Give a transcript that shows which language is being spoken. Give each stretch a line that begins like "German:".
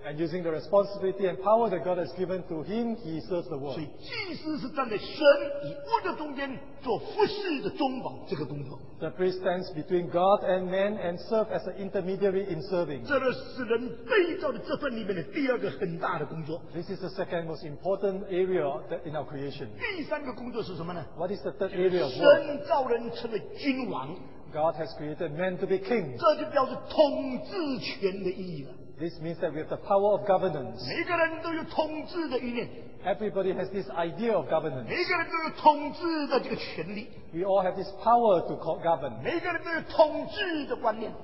English: And using the responsibility and power that God has given to him, he serves the world.
Chinese: 所以祭司是站在神与物的中间做服事的中保这个工作。
English: The priest stands between God and man and serves as an intermediary in serving.
Chinese: 这是人被造的这份里面的第二个很大的工作。
English: This is the second most important area that in our creation.
Chinese: 第三个工作是什么呢？
English: What is the third area of work?
Chinese: 神造人成为君王。
English: God has created man to be king.
Chinese: 这就表示统治权的意义了。
English: This means that we have the power of governance.
Chinese: 每个人都有统治的意念。
English: Everybody has this idea of governance.
Chinese: 每个人都有统治的这个权利。
English: We all have this power to govern.
Chinese: 每个人都有统治的观念。